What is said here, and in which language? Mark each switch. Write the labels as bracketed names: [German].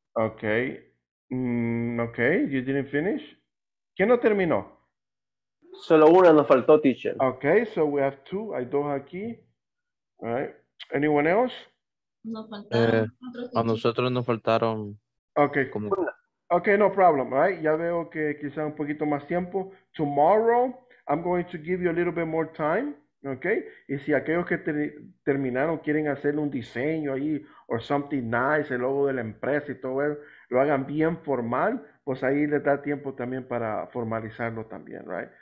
[English] Okay. Okay, you didn't finish? [Spanish] ¿Quién no terminó? Solo una nos faltó, teacher. [English] Okay, so we have two. [Spanish] Hay dos aquí. [English] All right. Anyone else? [Spanish] Nos faltaron. A nosotros nos faltaron. [English] Okay. Como... Okay, no problem. All right. [Spanish] Ya veo que quizá un poquito más tiempo. [English] Tomorrow, I'm going to give you a little bit more time. Okay. [Spanish] Y si aquellos que terminaron quieren hacerle un diseño ahí [English] or something nice, [Spanish] el logo de la empresa y todo eso, lo hagan bien formal, pues ahí les da tiempo también para formalizarlo también, [English] right?